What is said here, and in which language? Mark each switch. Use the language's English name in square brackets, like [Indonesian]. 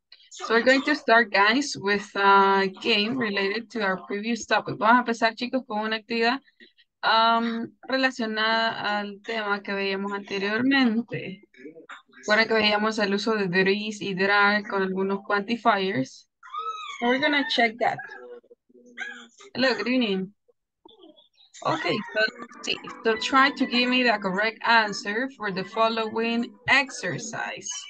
[English] So we're going to start, guys, with a game related to our previous topic. [Spanish] Vamos a empezar, chicos, con una actividad relacionada al tema que veíamos anteriormente. Recuerda que veíamos el uso de degrees y drag con algunos quantifiers. [English] So we're going to check that. Hello, good evening. Okay, so let's see. So try to give me the correct answer for the following exercise.